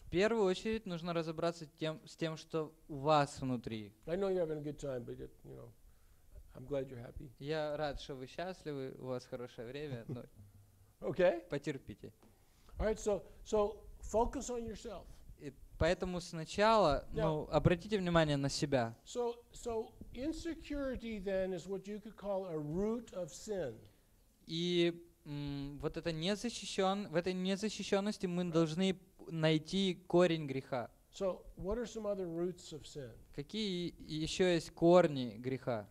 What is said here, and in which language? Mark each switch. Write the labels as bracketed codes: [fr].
[ru] В первую очередь нужно разобраться с тем, что у вас внутри. [en] I know you're having a good time, but it, you know. I'm glad you're happy. [ru] Я рад, что вы счастливы, у вас хорошее время, но [en] okay. [ru] потерпите. [en] Right, so focus on yourself. [ru] Поэтому сначала, ну, обратите внимание на себя. [en] So insecurity then is what you could call a root of sin. [ru] И вот это в этой незащищенности мы должны найти корень греха. [en] So what are some other roots of sin? [ru] Какие еще есть корни греха?